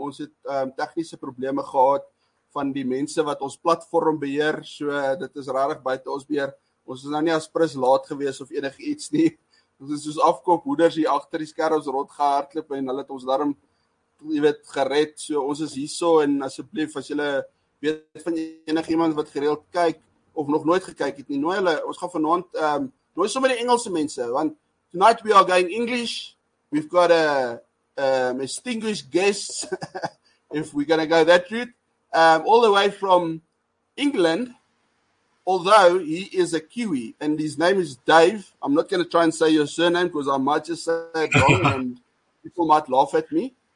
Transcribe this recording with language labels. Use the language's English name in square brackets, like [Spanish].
[Afrikaans] Ons het tegniese probleme gehad van die mense wat ons platform beheer, so dit is regtig buite ons beheer. Ons is nou nie as prins laat gewees of enig iets nie. Ons is soos afkoop hoeders hier agter die skerms rondgehardloop en hulle het ons daarom, jy weet, gered. So ons is hierso en asseblief as julle weet van enig iemand wat gereeld kyk of nog nooit gekyk het nie, nooi hulle. Ons gaan vanaand nooi sommer die Engelse mense, want [English] tonight we are going English. We've got a distinguished guests if we're going to go that route. All the way from England, although he is a Kiwi, and his name is Dave. I'm not going to try and say your surname because I might just say it wrong and people might laugh at me.